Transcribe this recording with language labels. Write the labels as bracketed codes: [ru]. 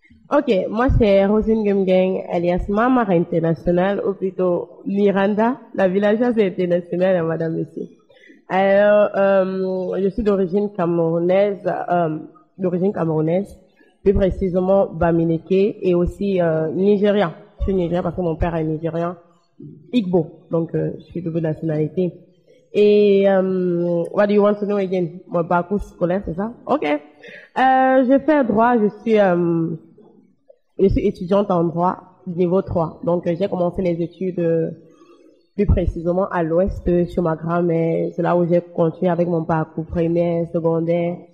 [fr] Ok, moi c'est Rosine Gumgeng, alias Mama International, ou plutôt Miranda, la villageoise internationale, madame, monsieur. Alors, je suis d'origine camerounaise. D'origine camerounaise, plus précisément Bamileke et aussi Nigérien. Je suis Nigérien parce que mon père est Nigérien, Igbo, donc je suis double nationalité. Et [en] what do you want to know again? [fr] Mon parcours scolaire, c'est ça? Ok. J'ai fait droit, je suis étudiante en droit niveau 3. Donc j'ai commencé les études plus précisément à l'ouest chez ma grand-mère. C'est là où j'ai continué avec mon parcours primaire, secondaire.